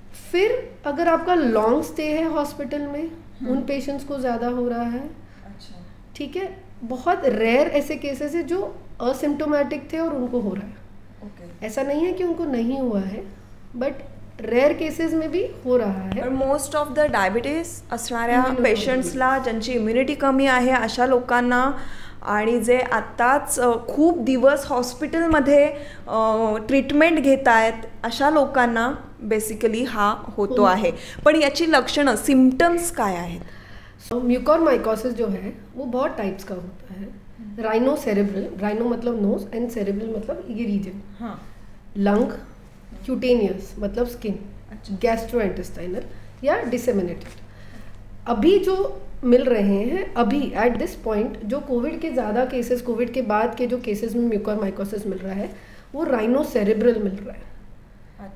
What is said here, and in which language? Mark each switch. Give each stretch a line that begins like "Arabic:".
Hindi: फिर अगर आपका लॉन्ग स्टे है हॉस्पिटल में उन पेशेंट्स को ज़्यादा हो रहा है. अच्छा. ठीक है, बहुत रेयर ऐसे केसेस है जो असिम्टोमेटिक थे और उनको हो रहा है.
English: Okay.
Hindi: ऐसा नहीं है कि उनको नहीं हुआ है, बट रेयर केसेस में भी हो रहा है.
English: most of the
Marathi: डायबिटीज असणाऱ्या पेशंट्सला ज्यांची इम्युनिटी कमी आहे अशा लोकांना आणि जे आत्ताच खूप दिवस हॉस्पिटलमध्ये ट्रीटमेंट घेत आहेत अशा लोकांना बेसिकली हा होतो आहे. पण याची लक्षणं सिम्पटम्स काय आहेत?
Hindi: सो म्युकोरमायकोसिस जो है वो बहुत टाइप्स का होता है. राइनो सेरेब्रल, राइनो मतलब
English: nose and cerebral
Hindi: मतलब ये रीजन. लंग, क्यूटेनियस मतलब स्किन, गैस्ट्रो इंटेस्टाइनल या डिसेमिनेटेड. अभी जो मिल रहे हैं अभी
English: at this point
Hindi: जो कोविड के ज़्यादा केसेस, कोविड के बाद के जो केसेस में म्यूकर माइकोसिस मिल रहा है वो राइनो सेरेब्रल मिल रहा है.